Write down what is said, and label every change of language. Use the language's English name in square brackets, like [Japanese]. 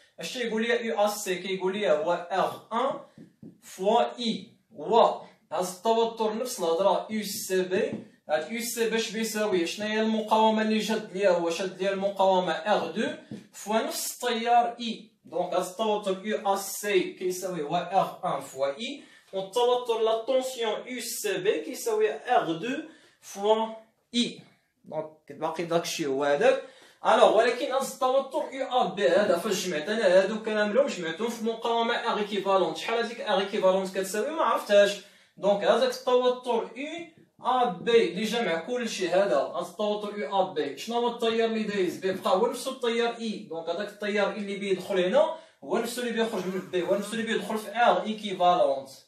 [Arabic] اش تيقول لي اي ا سي؟ كيقول لي هو ار 1 فوا اي. و هاد التوتر نفس الهضره يو سي بي، هاد يو سي باش بيساوي شنو هي المقاومه اللي شاد ليها؟ هو شاد ليها المقاومه ار 2 فوا نفس التيار اي [French] Donc, [Arabic] التوتر [French] U A C qui [Arabic] يساوي [French] R1 fois I. On [Arabic] التوتر [French] la tension U C B qui [Arabic] يساوي [French] R2 fois I. [Arabic] Donc, باقي داك الشيء هو هذاك. Alors, ولكن التوتر U A B هذا فاش جمعت انا هادو كاملهم جمعتهم في مقاومة R equivalent. شحال هذيك R equivalent كتساوي ما عرفتهاش. Donc, هذاك التوتر U A B اللي جمع كل شيء هذا التوتر U A B شنو هو التيار اللي دايز بيبقى هو نفس التيار E دونك هذاك التيار E اللي بيدخل هنا هو نفس اللي بيخرج من B هو نفس اللي بيدخل في R equivalent